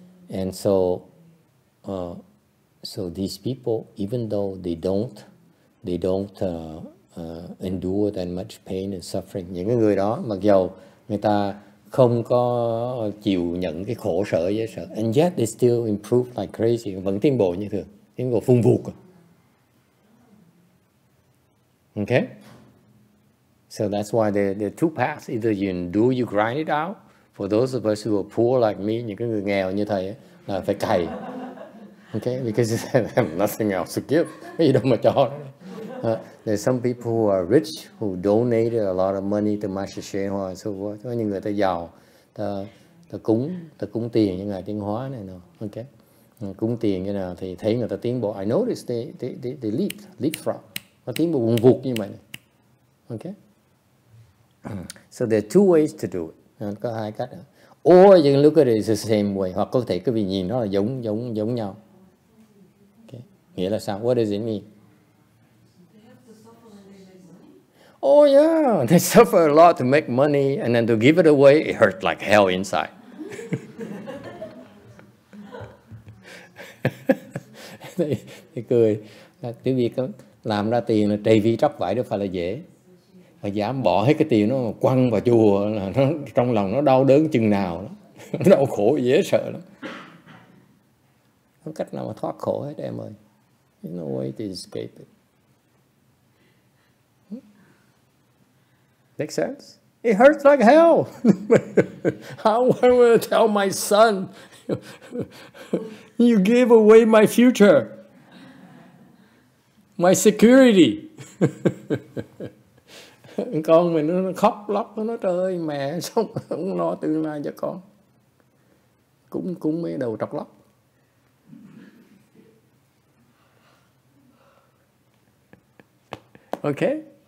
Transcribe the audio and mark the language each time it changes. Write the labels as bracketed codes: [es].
[en] And so so these people, even though they don't endure that much pain and suffering, [vi] những cái người đó mặc dầu người ta không có chịu nhận cái khổ sở dễ sợ, [en] and yet they still improve like crazy, [vi] vẫn tiến bộ như thường, tiến bộ phung phục. [en] Okay. So that's why there are two paths. Either you endure, you grind it out. For those of us who are poor like me, [vi] những cái người nghèo như thầy, là phải cày. [en] Okay, because you say, I have nothing else to give. You don't have to cho. There's some people who are rich, who donated a lot of money to Master XuanHua and so forth. [vi] Có những người ta giàu, ta cúng tiền như Ngài Tiến Hóa này. No. Okay. Cúng tiền như nào thì thấy người ta tiến bộ. [en] I noticed they leapfrog. [vi] Nó tiến bộ vùng vụt như vậy. Này. Okay. [en] So there are two ways to do it. [vi] Có hai cách. [en] Or you can look at it the same way. [vi] Hoặc có thể quý vị nhìn nó là giống nhau. Okay. Nghĩa là sao? [en] What does it mean? Oh yeah, they suffer a lot to make money and then to give it away, it hurts like hell inside. [vi] Thì cười. Quý vị làm ra tiền là trầy vi tróc vải đâu phải là dễ. Mà dám bỏ hết cái tiền nó quăng vào chùa là nó trong lòng nó đau đớn chừng nào đó. Nó đau khổ dễ sợ lắm. Không cách nào mà thoát khổ hết em ơi. [en] There's no way to escape it. Make sense? It hurts like hell. How am I gonna tell my son you gave away my future, my security? [vi] Con mình nó khóc lóc, nó nói trời ơi mẹ sao không lo tương lai cho con, cũng mấy đầu trọc lóc. Okay,